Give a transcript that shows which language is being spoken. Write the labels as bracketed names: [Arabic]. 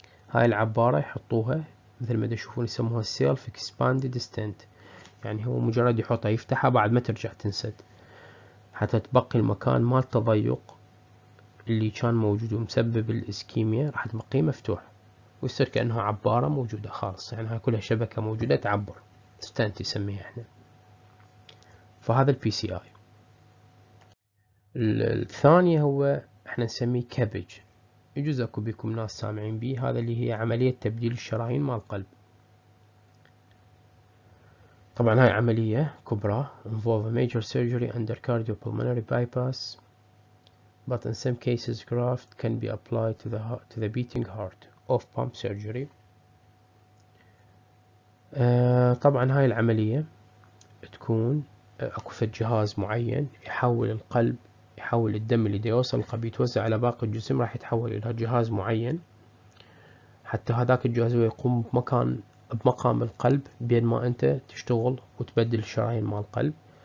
[Arabic] هاي العبارة يحطوها مثل ما تشوفون، يسموها سيلف اكسباندد ستنت، يعني هو مجرد يحطها يفتحها بعد ما ترجع تنسد، حتى تبقي المكان مال التضيق اللي كان موجود ومسبب الاسكيميا راح تبقيه مفتوح، ويصير كأنه عبارة موجودة خالص، يعني هاي كلها شبكة موجودة تعبر، ستنت يسميها احنا. فهذا البي سي اي. الثانية هو احنا نسميه كابج، يجوز اكو بيكم ناس سامعين بيه، هذا اللي هي عملية تبديل الشرايين مال القلب. طبعا هاي عملية كبرى، [English] involve major surgery under cardiopulmonary bypass, but in some cases graft can be applied to the heart, to the beating heart of pump surgery. [Arabic] طبعا هاي العملية تكون اكو في جهاز معين يحول القلب، يحول الدم اللي دي يوصل القلب يتوزع على باقي الجسم، راح يتحول الى جهاز معين، حتى هذاك الجهاز هو يقوم بمكان بمقام القلب بينما انت تشتغل وتبدل الشرايين مال القلب.